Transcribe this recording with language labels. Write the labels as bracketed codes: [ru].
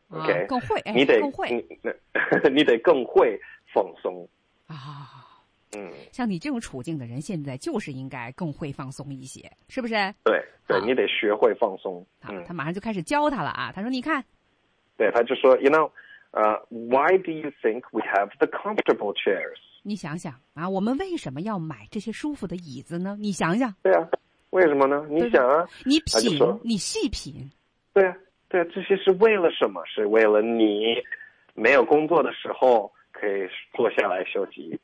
[en] OK，、 [zh] 更会，你得更会，你得更会放松啊。像你这种处境的人，现在就是应该更会放松一些，是不是？对，对你得学会放松。他马上就开始教他了啊！他说：“你看，对，他就说 ， [en] you know。” why do you think we have the comfortable chairs? [zh] 你想想啊，我们为什么要买这些舒服的椅子呢？你想想。对啊，为什么呢？你想啊，你品，你细品。对啊，对啊，这些是为了什么？是为了你没有工作的时候可以坐下来休息。